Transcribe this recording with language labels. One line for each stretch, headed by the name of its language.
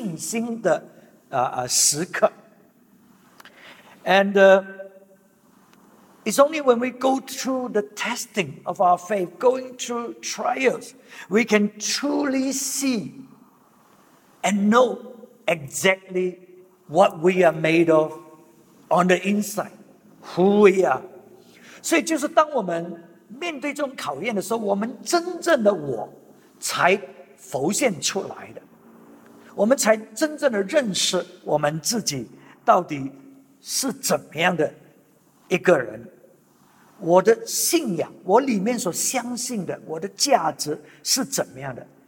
Chinese: 所以当我们面对一个危机或者这种所谓的考验，这个试炼的时候，这个是一个考验我们的信心的时刻。
English: And it's only when we go through the testing of our faith, going through trials, we can truly see and know exactly what we are made of on the inside, who we are.
Chinese: 所以就是当我们面对这种考验的时候，我们真正的我才浮现出来的，我们才真正的认识我们自己到底 是怎么样的一个人？我的信仰，我里面所相信的，我的价值是怎么样的？